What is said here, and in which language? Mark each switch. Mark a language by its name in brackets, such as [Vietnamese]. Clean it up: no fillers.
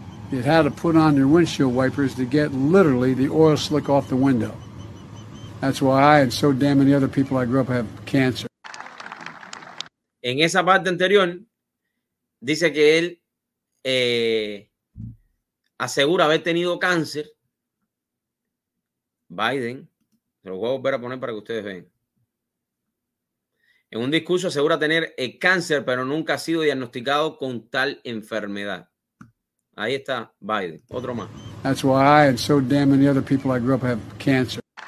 [English] You had to put on your windshield wipers to get literally the oil slick off the window. That's why I and so damn many other people I grew up have cancer. [Spanish] En esa parte anterior, dice que él asegura haber tenido cáncer. Biden, se lo voy a volver a poner para que ustedes vean. En un discurso asegura tener el cáncer, pero nunca ha sido diagnosticado con tal enfermedad. Ahí está Biden. Otro más. [English] That's why I and so damn many other people I grew up have cancer.